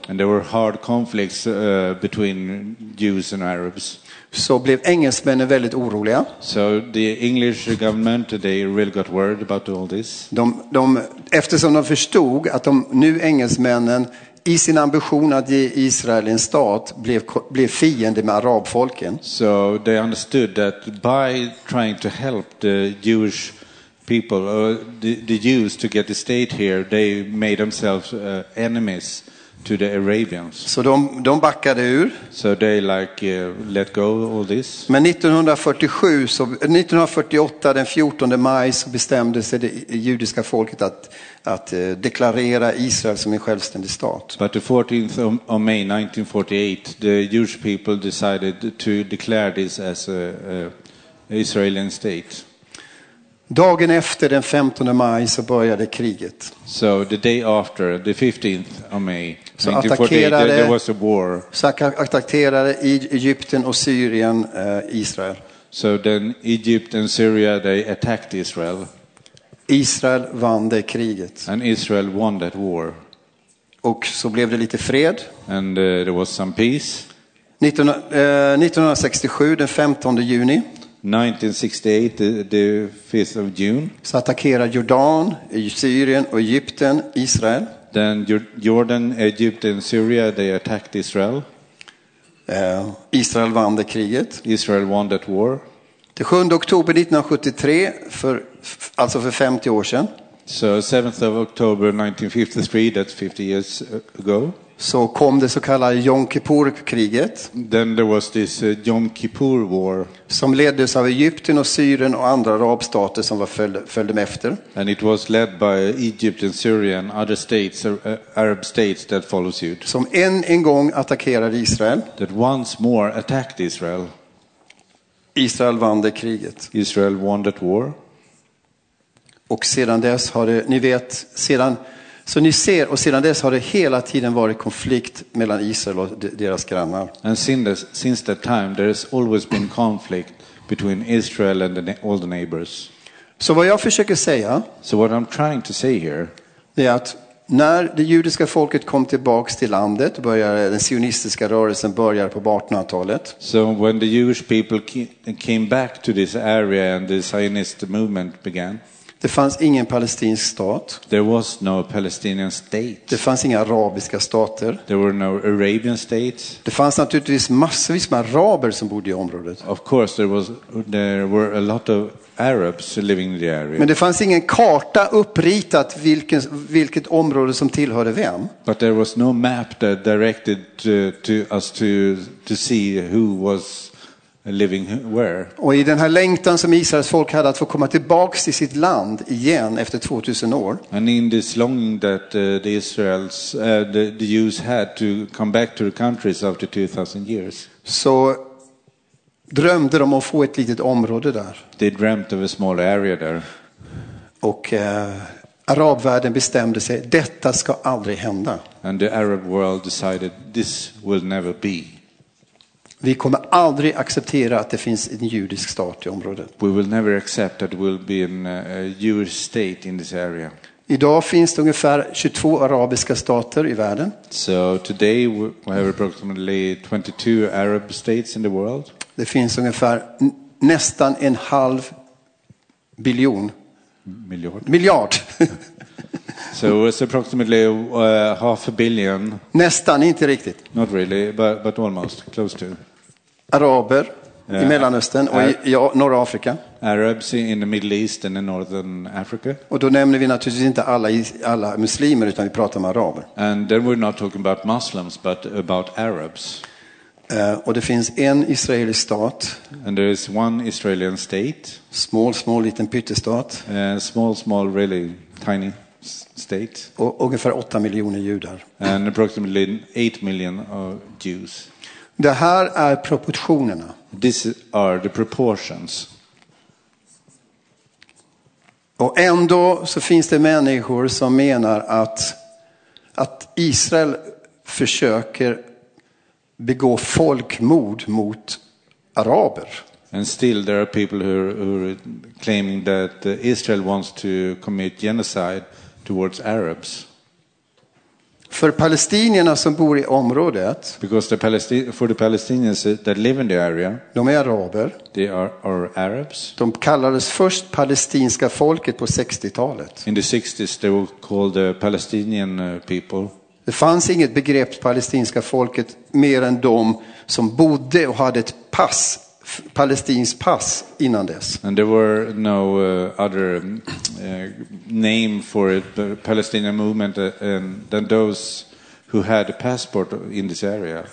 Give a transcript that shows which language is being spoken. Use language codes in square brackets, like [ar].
[en] And there were hard conflicts between Jews and Arabs. [sv] Så blev engelsmännen väldigt oroliga. [en] So the English government, they really got worried about all this. [sv] De eftersom de förstod att de nu engelsmännen i sin ambition att ge Israel en stat blev fiende med arabfolken. [en] So they understood that by trying to help the Jewish people, the Jews to get the state here, they made themselves enemies to the Arabians. [sv] Så de backade ur. [en] So they like let go all this. [sv] Men 1948 den 14 maj så bestämde sig det judiska folket att deklarera Israel som en självständig stat. [en] But the 14th of May 1948, the Jewish people decided to declare this as a Israeli state. [sv] Dagen efter den 15 maj så började kriget. [en] So the day after the 15th of May 1948 there was a war. [sv] Så attackerade Egypten och Syrien Israel. [en] So then Egypt and Syria they attacked Israel. [sv] Israel vann det kriget. [en] And Israel won that war. [sv] Och så blev det lite fred. [en] And there was some peace. [sv] 1967 den 15 juni. [en] 1968, the 5th of June. [sv] Så attackerar Jordan, Syrien och Egypten, Israel. [en] Then Jordan, Egypt and Syria, they attacked Israel. [sv] Israel vann det kriget. [en] Israel won that war. [sv] Den 7 oktober 1973, alltså för 50 år sedan. [en] So 7th of October 1953, that's 50 years ago. [sv] Så kom det så kallade Yom Kippur-kriget. [en] Then there was this Yom Kippur war. [sv] Som leddes av Egypten och Syrien och andra arabstater som var följde med efter. [en] And it was led by Egypt and Syria and other states, Arab states that followed suit. [sv] Som en gång attackerade Israel. [en] That once more attacked Israel. [sv] Israel vann det kriget. [en] Israel won that war. [sv] Och sedan dess har det, ni vet, sedan... Så ni ser, och sedan dess har det hela tiden varit konflikt mellan Israel och deras grannar. [en] And since that time there has always been conflict between Israel and all the neighbors. [sv] Så vad jag försöker säga, [en] so what I'm trying to say here, [sv] det är att när det judiska folket kom tillbaks till landet, började den sionistiska rörelsen började på 1800-talet. [en] So when the Jewish people came back to this area and the Zionist movement began. [sv] Det fanns ingen palestinsk stat. [en] There was no Palestinian state. [sv] Det fanns inga arabiska stater. [en] There were no Arabian states. [sv] Det fanns naturligtvis massvis med araber som bodde i området. [en] Of course there were a lot of Arabs living in the area. [sv] Men det fanns ingen karta uppritat vilket område som tillhörde vem. [en] But there was no map that directed to us to see who was living where. [sv] Och i den här längtan som Israels folk hade att få komma tillbaks till sitt land igen efter 2000 år. [en] And in this longing that the Jews had to come back to their countries after 2000 years. [sv] Så drömde de om att få ett litet område där. [en] They dreamt of a small area there. [sv] Och arabvärlden bestämde sig, detta ska aldrig hända. [en] And the Arab world decided this will never be. [sv] Vi kommer aldrig acceptera att det finns en judisk stat i området. [en] We will never accept that there will be a Jewish state in this area. [sv] Idag finns det ungefär 22 arabiska stater i världen. [en] So today we have approximately 22 Arab states in the world. [sv] Det finns ungefär nästan en halv biljon. Miljard. [en] So it's approximately half a billion. [sv] Nästan, inte riktigt. [en] Not really, but almost, close to. [sv] Araber i Mellanöstern och i norra Afrika. [en] Arabs in the Middle East and in Northern Africa. [sv] Och då nämner vi naturligtvis inte alla muslimer utan vi pratar om araber. [en] And then we're not talking about Muslims but about Arabs. [sv] Och det finns en israelisk stat. [en] And there is one Israelian state. [sv] Small liten pyttestat. [en] Small really tiny state. [sv] Och ungefär 8 miljoner judar. [en] And approximately 8 million of Jews. [sv] Det här är proportionerna. [en] This are the proportions. [sv] Och ändå så finns det människor som menar att Israel försöker begå folkmord mot araber. [en] And still there are people who are claiming that Israel wants to commit genocide towards Arabs. [sv] För palestinierna som bor i området, [en] because for the Palestinians that live in the area, [sv] de är araber. [en] They are Arabs. [sv] De kallades först palestinska folket på 60-talet. [en] In the 60s they were called the Palestinian people. [sv] Det fanns inget begrepp palestinska folket mer än de som bodde och hade ett pass, palestinskt pass innan dess. [en] And there were no other name for it, Palestinian movement than those who had a passport in this area.